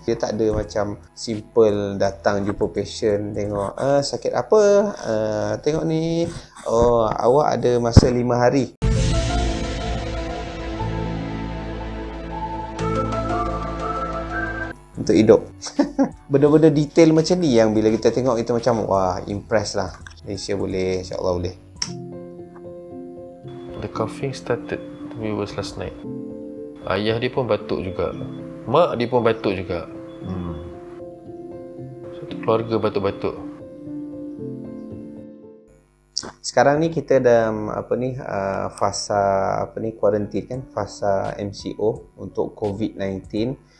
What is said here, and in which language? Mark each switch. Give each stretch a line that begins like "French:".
Malay: Dia tak ada macam simple datang jumpa patient, tengok sakit apa, tengok ni, oh awak ada masa 5 hari. Untuk hidup. Benda-benda detail macam ni yang bila kita tengok kita macam wah, impress lah. Malaysia boleh, insyaAllah boleh.
English: The coughing started we was last night.
Malay: Ayah dia pun batuk juga, mak dia pun batuk juga. Satu keluarga batuk-batuk. Sekarang ni kita dalam apa ni, fasa apa ni, quarantine kan, fasa MCO untuk COVID-19.